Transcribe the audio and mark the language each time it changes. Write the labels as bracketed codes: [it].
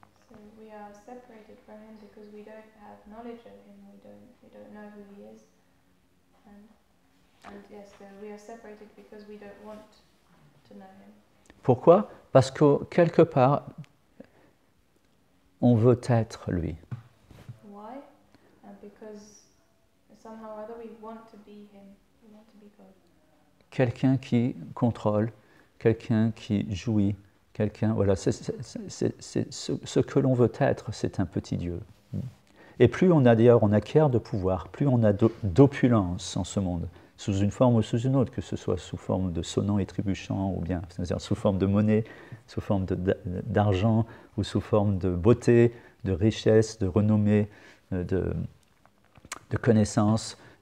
[en] So we are separated from him because we don't have knowledge of him, we don't know who he is. And yes, so we are separated because we don't want to know him. [fr] Pourquoi? Parce que quelque part, on veut être lui. [en] Why? Because somehow or other we want to be him. We want to be God. [fr] Quelqu'un qui contrôle, quelqu'un qui jouit, quelqu'un, voilà, c'est ce que l'on veut être, c'est un petit Dieu. Et plus on a d'ailleurs, on acquiert de pouvoir, plus on a d'opulence en ce monde, sous une forme ou sous une autre, que ce soit sous forme de sonnant et trébuchant, ou bien, c'est-à-dire sous forme de monnaie, sous forme d'argent, ou sous forme de beauté, de richesse, de renommée, de connaissance.